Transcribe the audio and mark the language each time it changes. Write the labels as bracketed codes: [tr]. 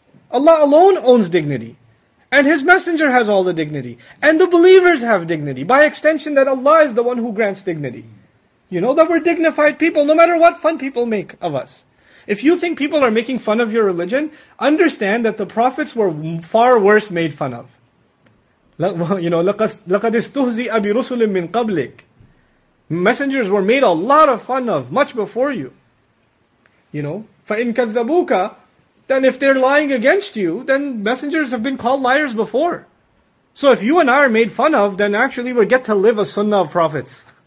[en] Allah alone owns dignity. And His Messenger has all the dignity. And the believers have dignity. By extension, that Allah is the one who grants dignity. You know, that we're dignified people, no matter what fun people make of us. If you think people are making fun of your religion, understand that the prophets were far worse made fun of. You know, [ar] لَقَدْ اسْتُهْزِئَ بِرُسُلٍ مِّن قَبْلِكَ. [en] Messengers were made a lot of fun of, much before you. You know, [ar] فَإِن كَذَّبُوكَ. [en] Then if they're lying against you, then messengers have been called liars before. So if you and I are made fun of, then actually we get to live a sunnah of prophets.